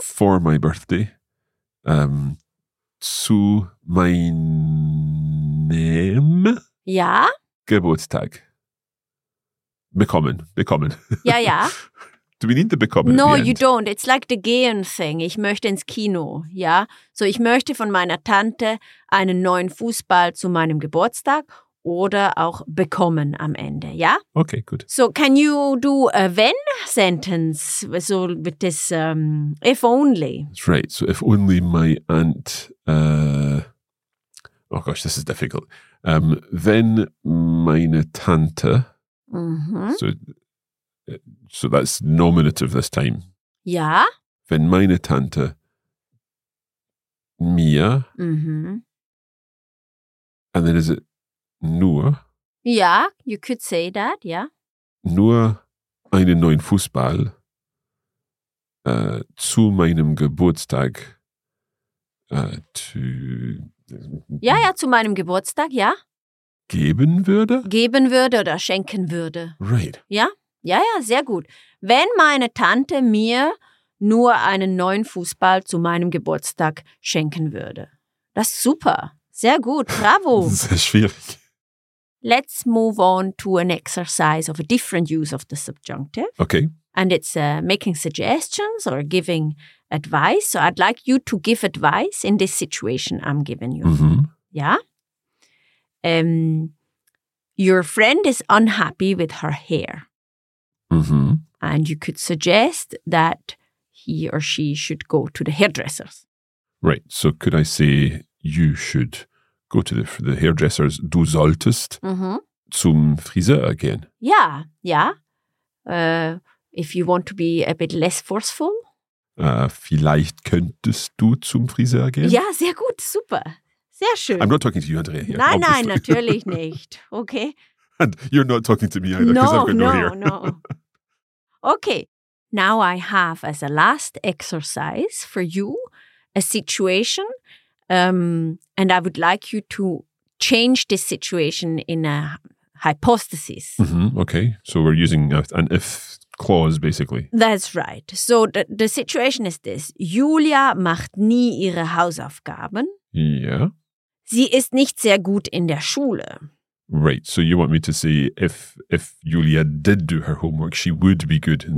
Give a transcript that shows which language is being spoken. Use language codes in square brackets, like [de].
[en] For my birthday? [de] Zu meinem? Ja. Geburtstag? Bekommen. Ja, ja. [en] Do we need the bekommen? No, in the end? You don't. It's like the gehen thing. [de] Ich möchte ins Kino, ja? So, ich möchte von meiner Tante einen neuen Fußball zu meinem Geburtstag oder auch bekommen am Ende, ja? Okay, gut. [en] So, can you do a when sentence? So, with this if only. Right, so if only my aunt... oh gosh, this is difficult. [de] Wenn meine Tante... Mm-hmm. [en] So that's nominative this time. [de] Ja. Wenn meine Tante mir. Mm-hmm. [en] And then is it nur? Ja, you could say that, ja. [de] Nur einen neuen Fußball zu meinem Geburtstag. Zu meinem Geburtstag, ja. Geben würde? Geben würde oder schenken würde. [en] Right. [de] Ja? Ja, ja, sehr gut. Wenn meine Tante mir nur einen neuen Fußball zu meinem Geburtstag schenken würde. Das ist super. Sehr gut. Bravo. Sehr schwierig. [en] Let's move on to an exercise of a different use of the subjunctive. Okay. And it's making suggestions or giving advice. So I'd like you to give advice in this situation I'm giving you. Mm-hmm. [de] Ja? [en] Your friend is unhappy with her hair. Mm-hmm. And you could suggest that he or she should go to the hairdressers. Right. So could I say you should go to the hairdressers? [de] Du solltest zum Friseur gehen. [en] Yeah, yeah. If you want to be a bit less forceful. [de] Vielleicht könntest du zum Friseur gehen? Ja, sehr gut, super. Sehr schön. [en] I'm not talking to you, Andrea. Here, [de] nein, [en] obviously. [de] Nein, natürlich nicht. Okay. [en] And you're not talking to me either, because I've got no hair. No, no. Okay. Now I have, as a last exercise for you, a situation. And I would like you to change this situation in a hypothesis. Mm-hmm, okay. So we're using an if clause, basically. That's right. So the situation is this. [de] Julia macht nie ihre Hausaufgaben. Ja. Sie ist nicht sehr gut in der Schule. [en] Right, so you want me to say if Julia did do her homework, she would be good in